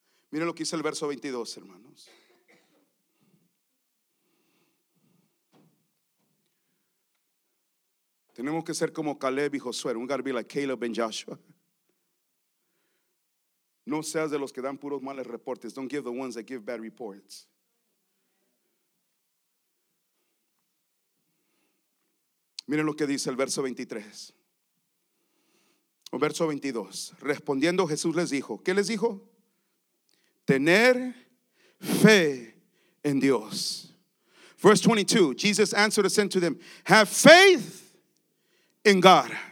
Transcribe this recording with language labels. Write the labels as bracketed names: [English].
[Spanish] Miren lo que dice el verso 22, hermanos. Tenemos que ser como Caleb y Josué. [English] We gotta be like Caleb and Joshua. [Spanish] No seas de los que dan puros males reportes. [English] Don't give the ones that give bad reports. [Spanish] Miren lo que dice el verso 23. O verso 22, respondiendo Jesús les dijo, ¿qué les dijo? Tener fe en Dios. [English] Verse 22, Jesus answered and said to them, have faith in God.